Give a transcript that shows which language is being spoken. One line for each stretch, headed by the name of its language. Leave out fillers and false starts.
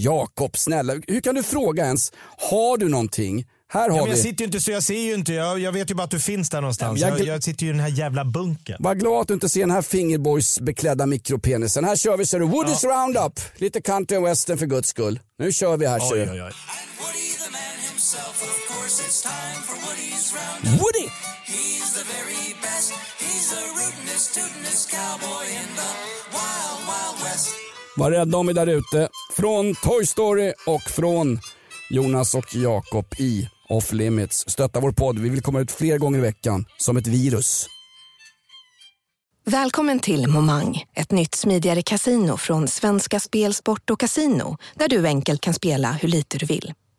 Swedish: Jakob, snälla. Hur kan du fråga ens? Har du någonting? Här har vi. Jag sitter ju inte så, jag ser ju inte. Jag vet ju bara att du finns där någonstans. Jag sitter ju i den här jävla bunken. Var glad att du inte ser den här fingerboys-beklädda mikropenisen. Här kör vi, så du. Woody's Roundup. Lite country and western, för Guds skull. Nu kör vi här, kör vi.
English: Woody the man himself, of course it's time for Woody's Roundup. Woody! He's the very best. He's the rootinest, tootinest cowboy in the wild, wild west.
Swedish: Var rädda om vi där ute. Från Toy Story och från Jonas och Jakob i Off Limits. Stötta vår podd. Vi vill komma ut fler gånger i veckan som ett virus. Välkommen till Momang, ett nytt smidigare kasino från Svenska Spel, Sport och Casino, där du enkelt kan spela hur lite du vill.